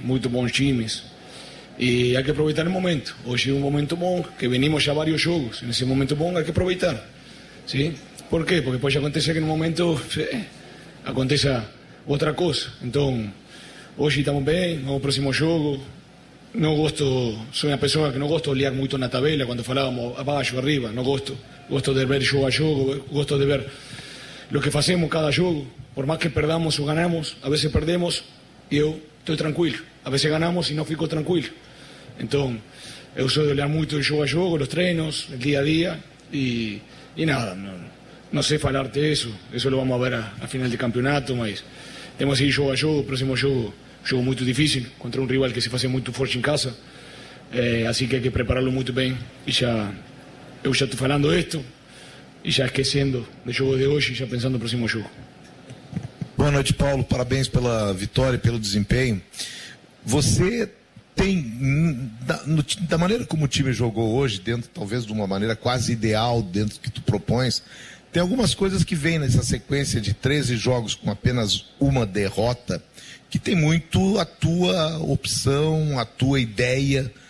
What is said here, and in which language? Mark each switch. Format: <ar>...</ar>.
<pt>Muito bons times. E há que aproveitar o momento. Hoje é um momento bom, que venimos já vários jogos. Nesse momento bom há que aproveitar. Sim? Por quê? Porque pode acontecer que no momento aconteça outra coisa. Então, hoje estamos bem, no próximo jogo.</pt> <es>No gusto, soy una persona que no gusto de olhar mucho en la tabela cuando falábamos abajo, arriba, no gusto. Gusto de ver juego a juego, gusto de ver lo que hacemos cada juego. Por más que perdamos o ganamos, a veces perdemos y yo estoy tranquilo. A veces ganamos y no fico tranquilo. Entonces, yo soy de olhar mucho el juego a juego, los trenos, el día a día y nada. No sé falarte eso lo vamos a ver a final de campeonato, pero tenemos que ir juego a juego, próximo juego.</es> <pt>Jogo muito difícil contra um rival que se fazia muito forte em casa. Assim que há que prepará-lo muito bem. E já, eu já estou falando isto e já esquecendo do jogo de hoje e já pensando no próximo jogo. Boa noite, Paulo. Parabéns pela vitória e pelo desempenho. Você tem, da maneira como o time jogou hoje, dentro talvez de uma maneira quase ideal dentro do que tu propões, tem algumas coisas que vêm nessa sequência de 13 jogos com apenas uma derrota, que tem muito a tua opção, a tua ideia.</pt>